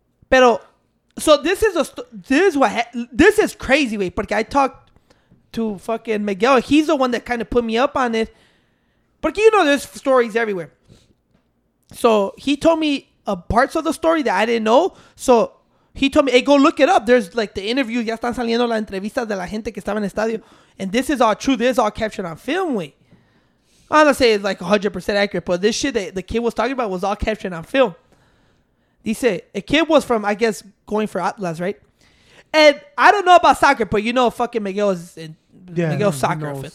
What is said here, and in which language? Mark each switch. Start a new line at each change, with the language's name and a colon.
English: Pero, so this is a, this is crazy, wait, porque I talked to fucking Miguel. He's the one that kind of put me up on it. Porque, you know, there's stories everywhere. So, he told me parts of the story that I didn't know. So, he told me, hey, go look it up. There's like the interviews.
Spanish: Ya están saliendo las entrevistas de la gente que estaba en el estadio.
English: And this is all true. This is all captured on film, wey. I don't say it's like 100% accurate, but this shit that the kid was talking about was all captured on film. Dice, a kid was from, I guess, going for Atlas, right? And I don't know about soccer, but you know fucking Miguel's soccer.